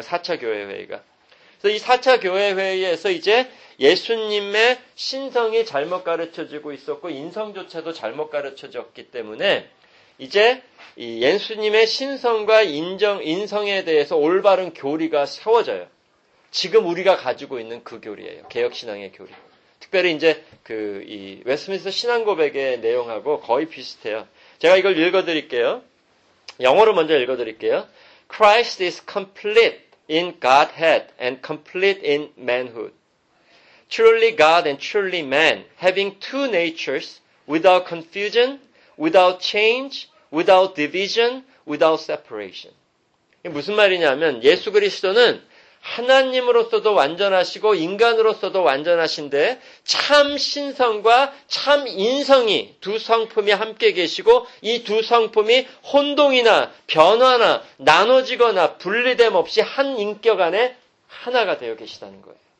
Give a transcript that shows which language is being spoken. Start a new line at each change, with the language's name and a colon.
Korean: 4차 교회 회의가. 그래서 이 4차 교회 회의에서 이제 예수님의 신성이 잘못 가르쳐지고 있었고 인성조차도 잘못 가르쳐졌기 때문에 이제 이 예수님의 신성과 인성에 대해서 올바른 교리가 세워져요. 지금 우리가 가지고 있는 그 교리예요. 개혁신앙의 교리. 특별히 이제 그 이 웨스트민스터 신앙고백의 내용하고 거의 비슷해요. 제가 이걸 읽어드릴게요. 영어로 먼저 읽어드릴게요.
English: Christ is complete in Godhead and complete in manhood. Truly God and truly man, having two natures, without confusion, without change, without division, without separation.
Korean: 이게 무슨 말이냐면 예수 그리스도는 하나님으로서도 완전하시고 인간으로서도 완전하신데 참 신성과 참 인성이 두 성품이 함께 계시고 이 두 성품이 혼동이나 변화나 나눠지거나 분리됨 없이 한 인격 안에 하나가 되어 계시다는 거예요.